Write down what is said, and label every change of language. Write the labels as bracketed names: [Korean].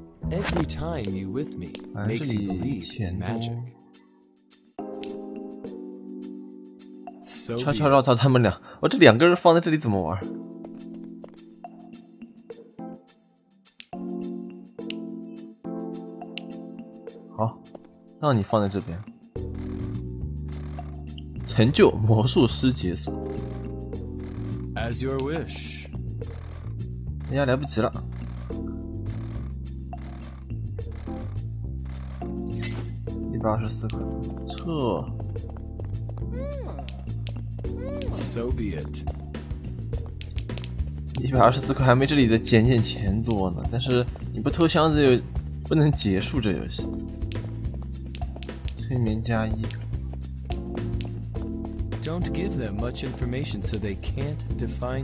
[English] Every time you with me makes you believe magic。 [Chinese] 悄悄绕到他们俩，我这两个人放在这里怎么玩？好，让你放在这边。成就魔术师解锁。 [English] As your wish。 [Chinese] 哎呀，来不及了。 124块，撤。 [English] So be it。 [Chinese] 124块还没这里的捡捡钱多呢，但是你不偷箱子又不能结束这游戏。催眠加一。 [English] Don't give them much information so they can't define。